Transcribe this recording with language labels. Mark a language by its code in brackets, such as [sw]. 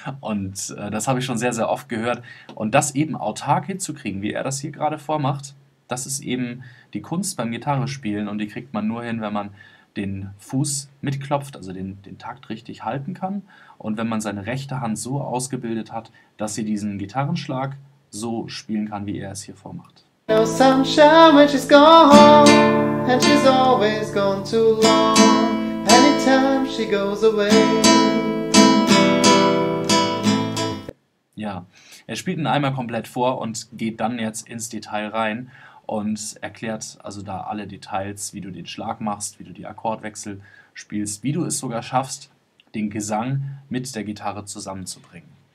[de] Und das habe ich schon sehr, sehr oft gehört. Und das eben autark hinzukriegen, wie er das hier gerade vormacht, das ist eben die Kunst beim Gitarrespielen und die kriegt man nur hin, wenn man den Fuß mitklopft, also den Takt richtig halten kann. Und wenn man seine rechte Hand so ausgebildet hat, dass sie diesen Gitarrenschlag so spielen kann, wie er es hier vormacht. [en] No sunshine when she's gone, and she's always gone too long, anytime she goes away. [de] Ja, er spielt ihn einmal komplett vor und geht dann jetzt ins Detail rein. Und erklärt also da alle Details, wie du den Schlag machst, wie du die Akkordwechsel spielst, wie du es sogar schaffst, den Gesang mit der Gitarre zusammenzubringen.